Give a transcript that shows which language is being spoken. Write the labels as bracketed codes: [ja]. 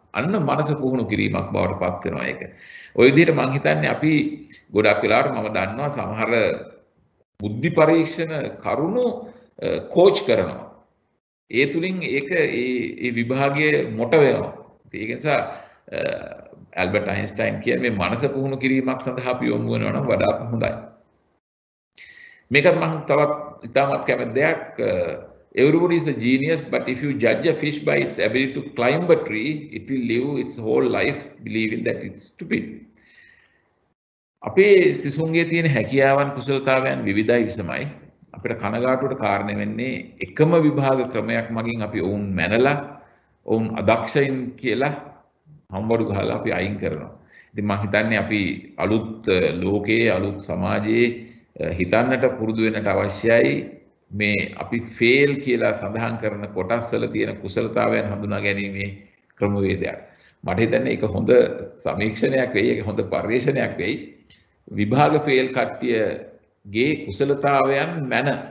[si] අන්න මනස පුහුණු කිරීමක් බවට පත් වෙනවා ඒක. ওই විදිහට මං හිතන්නේ අපි ගොඩක් වෙලාවට මම දන්නවා සමහර බුද්ධි පරීක්ෂණ කරුණු කෝච් කරනවා. ඒ තුලින් ඒක ඒ ඒ විභාගයේ මොට වෙනවා. ඒක නිසා ඇල්බර්ට් අයින්ස්ටයින් කියන මේ මනස පුහුණු කිරීමක් සඳහා අපි යොමු වෙනවා නම් වඩා හොඳයි. මේකත් මං තවත් ඉතාමත් කැමති දෙයක් [en] Everybody is a genius, but if you judge a fish by its ability to climb a tree, it will live its whole life believing that it's stupid. [si] අපේ සිසුන්ගේ තියෙන හැකියාවන් කුසලතාවයන් විවිධයි විසමයි. අපිට කනගාටුවට කාරණ වෙන්නේ එකම විභාග ක්‍රමයක් මගින් අපි ඔවුන් මැනලා ඔවුන් අදක්ෂයින් කියලා හම්බඩු ගහලා අපි අයින් කරනවා. ඉතින් මම හිතන්නේ අපි අලුත් ලෝකයේ අලුත් සමාජයේ හිතන්නට පුරුදු වෙන්නට අවශ්‍යයි මේ අපි ෆේල් කියලා සඳහන් කරන කොටස් වල තියෙන කුසලතාවයන් හඳුනා ගැනීමේ ක්‍රමවේදයක් මට හිතන්නේ ඒක හොඳ සමීක්ෂණයක් වෙයි ඒක හොඳ පරිශ්‍රණයක් වෙයි විභාග ෆේල් කට්ටියගේ කුසලතාවයන් මැන